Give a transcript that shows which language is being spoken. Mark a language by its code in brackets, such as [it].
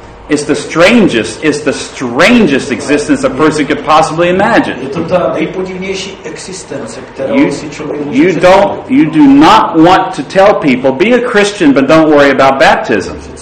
[en] It's the strangest existence a person could possibly imagine. [cs] Je to ta nejpodivnější existence, kterou si člověk může. [en] You do not want to tell people, be a Christian, but don't worry about baptism.